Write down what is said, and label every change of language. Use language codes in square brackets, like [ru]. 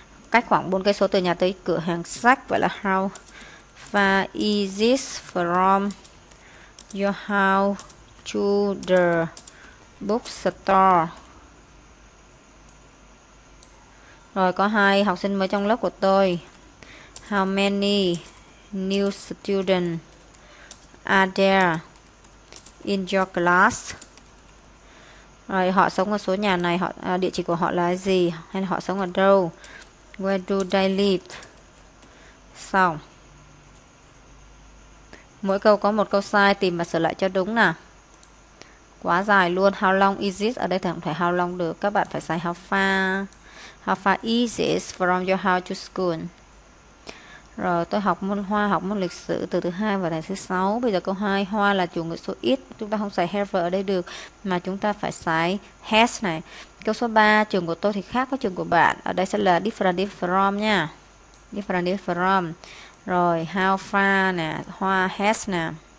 [vi] Cách khoảng 4 cây số từ nhà tới cửa hàng sách, vậy là [en] how far is this from your house to the bookstore? [vi] Rồi có hai học sinh mới trong lớp của tôi. [en] How many new students are there in your class? [vi] Rồi họ sống ở số nhà này, họ địa chỉ của họ là gì, hay là họ sống ở đâu? [en] Where do they live? [vi] Xong. Mỗi câu có một câu sai, tìm và sửa lại cho đúng nè. Quá dài luôn. [en] How long is it? [vi] Ở đây thì không phải how long được, các bạn phải xài how far. [en] How far is it from your house to school? [vi] Rồi tôi học môn Hoa, học môn lịch sử từ thứ hai và đến thứ sáu. Bây giờ câu 2, Hoa là chủ ngữ số ít, chúng ta không xài have ở đây được, mà chúng ta phải xài has này. Câu số 3, trường của tôi thì khác với trường của bạn. Ở đây sẽ là different from nha. [en] Different from. Rồi how far nè, Hoa has nè.